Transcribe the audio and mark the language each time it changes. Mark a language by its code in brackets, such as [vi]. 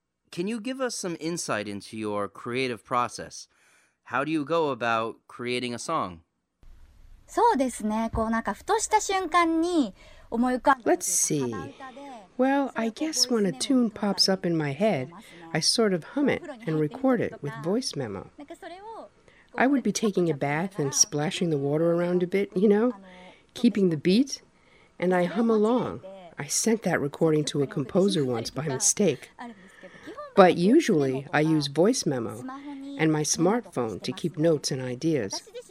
[en] Can you give us some insight into your creative process? How do you go about creating a song? [ja] そうですね。こうなんかふとした瞬間に思い浮かんだ。 [en] Let's see. Well, I guess when a tune pops up in my head, I sort of hum it and record it with voice memo. I would be taking a bath and splashing the water around a bit, you know, keeping the beat, and I hum along. I sent that recording to a composer once by mistake. But usually, I use voice memo and my smartphone to keep notes and ideas.